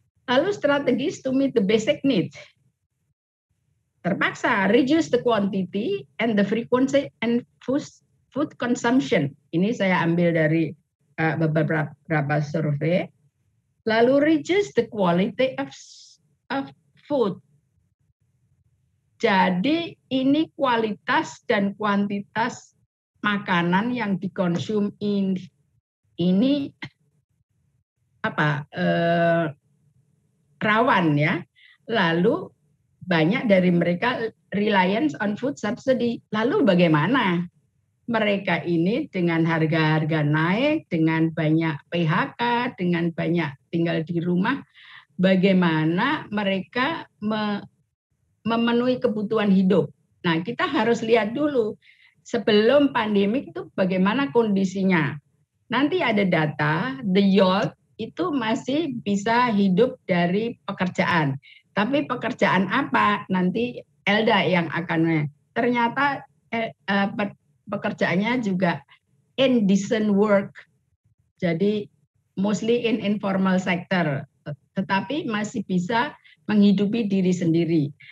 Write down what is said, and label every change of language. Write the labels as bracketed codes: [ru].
[id] Lalu strategis [en] to meet the basic needs. Terpaksa reduce the quantity and the frequency and food consumption. [id] Ini saya ambil dari beberapa survei. [en] Lalu reduce the quality of food. [id] Jadi ini kualitas dan kuantitas makanan yang dikonsum ini apa rawan ya. Lalu banyak dari mereka [en] reliance on food subsidy. [id] Lalu bagaimana mereka ini dengan harga-harga naik, dengan banyak PHK, dengan banyak tinggal di rumah, bagaimana mereka memenuhi kebutuhan hidup? Nah, kita harus lihat dulu sebelum pandemik itu bagaimana kondisinya. Nanti ada data, [en] the youth [id] itu masih bisa hidup dari pekerjaan. Tapi pekerjaan apa? Nanti Elda yang akan. Ternyata pekerjaannya juga [en] indecent work. Jadi mostly in informal sector. [id] Tetapi masih bisa menghidupi diri sendiri.